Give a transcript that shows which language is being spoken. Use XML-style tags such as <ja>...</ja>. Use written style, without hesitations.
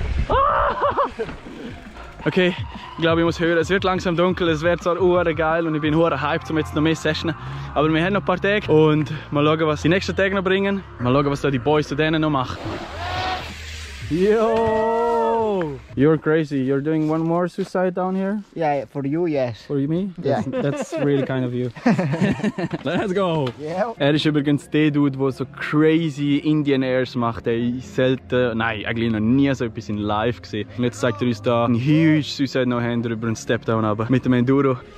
<de>Oh! Okay, ich glaube, ich muss hören. Es wird langsam dunkel, es wird zwar hure geil und ich bin hure hyped, um jetzt noch mehr Sessionen. Aber wir haben noch ein paar Tage und mal schauen, was die nächsten Tage noch bringen. Mal schauen, was da die Boys zu denen noch machen.</de> <en>Yo! You're crazy. You're doing one more suicide down here? Yeah, for you, yes. For me? Yeah. That's really kind of you. Let's go! Yeah.</en> <de>Er ist übrigens der Dude, der so crazy Indian Airs macht. Ich selten, nein, eigentlich noch nie so etwas in live gesehen. Und jetzt zeigt er uns da ein</de> <en>huge suicide no hand</en> <de>über einen Step-Down, aber mit dem Enduro.</de>